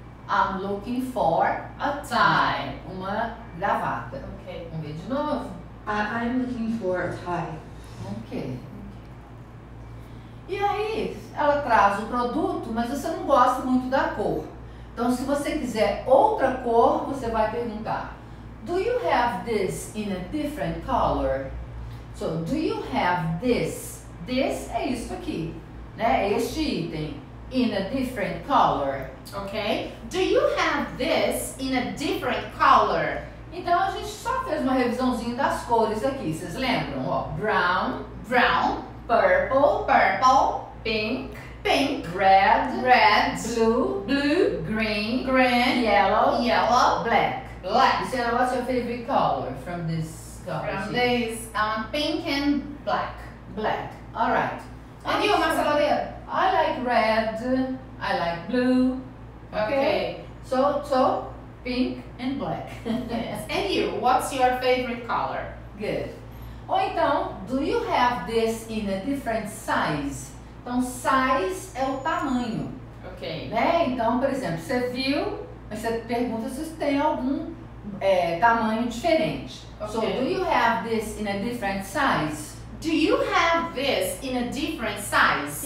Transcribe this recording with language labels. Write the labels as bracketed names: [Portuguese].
[English] I'm looking for a tie. [Portuguese] Uma gravata. Ok. Vamos ver de novo. [English] I'm looking for a tie. Ok. [Portuguese] E aí, ela traz o produto, mas você não gosta muito da cor. Então, se você quiser outra cor, você vai perguntar. [English] Do you have this in a different color? So, do you have this? This [Portuguese] é isso aqui, né? Este item. [English] in a different color. Okay? Do you have this in a different color? [Portuguese] Então, a gente só fez uma revisãozinha das cores aqui, vocês lembram? Ó, [English] brown, brown, purple, purple, pink, pink, red, red, blue, blue, green, green, yellow, yellow, black, black. Sarah, what's your favorite color from this color? From this, pink and black. Black, all right. And you, Marcelo? I like red, I like blue. Okay. So, pink and black. Yes. And you, what's your favorite color? Good. [Portuguese] Ou então, [English] do you have this in a different size? [Portuguese] Então, size é o tamanho. Ok. Né? Então, por exemplo, você viu, mas você pergunta se tem algum tamanho diferente. Okay. [English] So, do you have this in a different size? Do you have this in a different size?